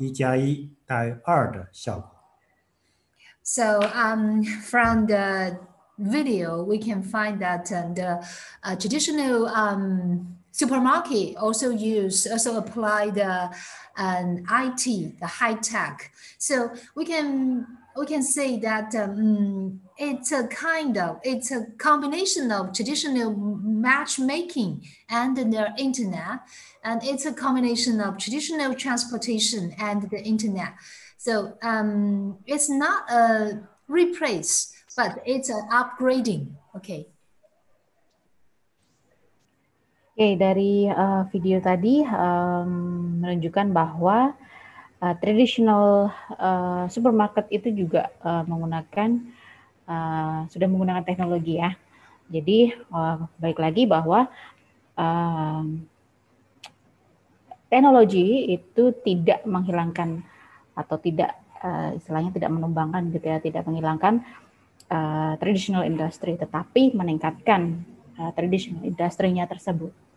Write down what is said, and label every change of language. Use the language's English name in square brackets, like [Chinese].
[Chinese] 从视频中我们可以看出，传统的超市使用了互联网加的技术以后，对行业的促进作用。所以说，这互联网加的定位不是对传统行业的颠覆，而是对其升级换代。它的效果也不是简单的互联网加上某个传统行业，而是聚合出一加一大于二的效果。 [English] So from the video, we can find that the traditional supermarket also apply the IT, the high tech. So we can say that it's a combination of traditional matchmaking and the internet, and it's a combination of traditional transportation and the internet. So it's not a replace, but it's an upgrading. Okay. [Indonesian] Okay, dari video tadi menunjukkan bahwa [English] traditional supermarket [Indonesian] itu juga sudah menggunakan teknologi ya. Jadi balik lagi bahwa teknologi itu tidak menghilangkan atau tidak istilahnya tidak menumbangkan gitu ya, tidak menghilangkan [English] traditional industry, [Indonesian] tetapi meningkatkan traditional industry-nya tersebut.